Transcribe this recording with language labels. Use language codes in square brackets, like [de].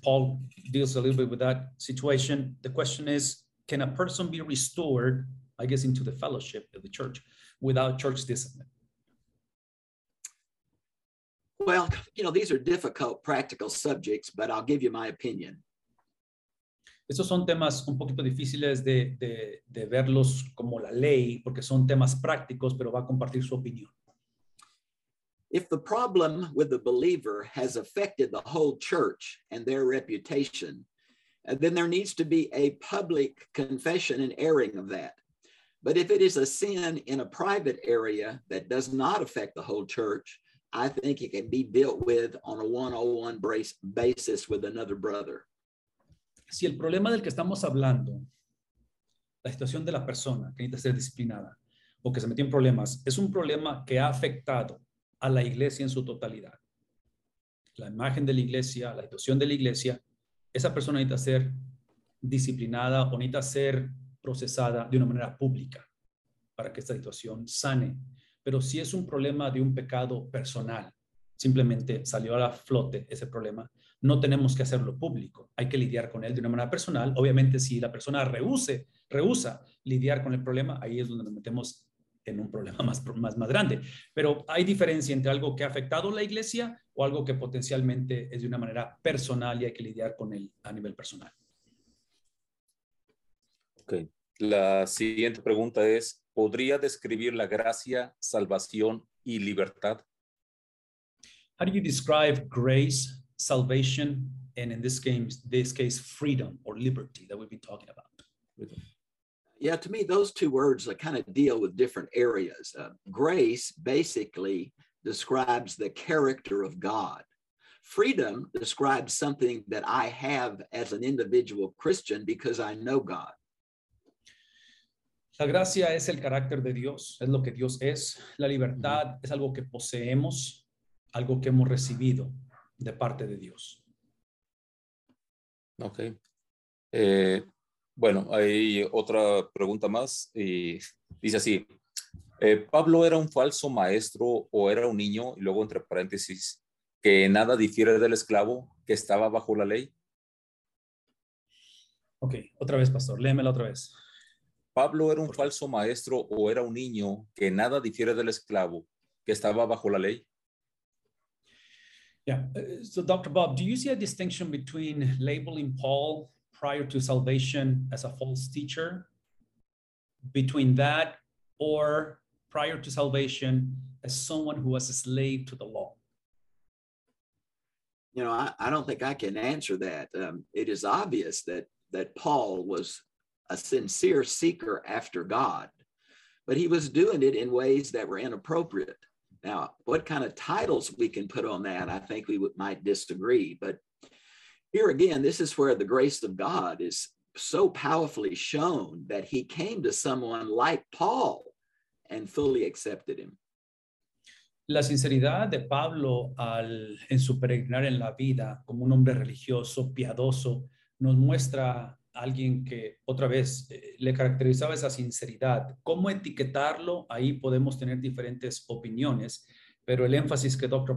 [en] Paul deals a little bit with that situation. The question is, can a person be restored, I guess, into the fellowship of the church without church discipline? Well, you know, these are difficult, practical subjects, but I'll give you my opinion. [es] Estos son temas un poquito difíciles de verlos como la ley, porque son temas prácticos, pero va a compartir su opinión. [en] If the problem with the believer has affected the whole church and their reputation, then there needs to be a public confession and airing of that. But if it is a sin in a private area that does not affect the whole church, I think it can be dealt with on a one-on-one basis with another brother. [es] Si el problema del que estamos hablando, la situación de la persona que necesita ser disciplinada o que se metió en problemas, es un problema que ha afectado a la iglesia en su totalidad, la imagen de la iglesia, la situación de la iglesia, esa persona necesita ser disciplinada o necesita ser procesada de una manera pública para que esta situación sane. Pero si es un problema de un pecado personal, simplemente salió a la flote ese problema, no tenemos que hacerlo público. Hay que lidiar con él de una manera personal. Obviamente, si la persona rehúsa lidiar con el problema, ahí es donde nos metemos en un problema más grande. Pero hay diferencia entre algo que ha afectado la iglesia o algo que potencialmente es de una manera personal y hay que lidiar con él a nivel personal. Ok. La siguiente pregunta es, ¿podría describir la gracia, salvación y libertad? [en] How do you describe grace, salvation, and in this case, freedom or liberty that we've been talking about? Yeah, to me, those two words kind of deal with different areas. Grace basically describes the character of God. Freedom describes something that I have as an individual Christian because I know God. [es] La gracia es el carácter de Dios, es lo que Dios es. La libertad es algo que poseemos, algo que hemos recibido de parte de Dios. [en] Okay. [es] Bueno, hay otra pregunta más y dice así, ¿Pablo era un falso maestro o era un niño? Y luego entre paréntesis, ¿que nada difiere del esclavo que estaba bajo la ley? Ok, otra vez, pastor, léemela otra vez. ¿Pablo era un falso maestro o era un niño que nada difiere del esclavo que estaba bajo la ley? [en] Yeah, so Dr. Bob, do you see a distinction between labeling Paul prior to salvation as a false teacher, between that or prior to salvation as someone who was a slave to the law? You know, I don't think I can answer that. It is obvious that that Paul was a sincere seeker after God, but he was doing it in ways that were inappropriate. Now, what kind of titles we can put on that, I think we might disagree. But here again, this is where the grace of God is so powerfully shown, that he came to someone like Paul and fully accepted him. [es] La sinceridad de Pablo en su peregrinar en la vida como un hombre religioso, piadoso, nos muestra alguien que otra vez le caracterizaba esa sinceridad. ¿Cómo etiquetarlo? Ahí podemos tener diferentes opiniones, pero el énfasis que Dr.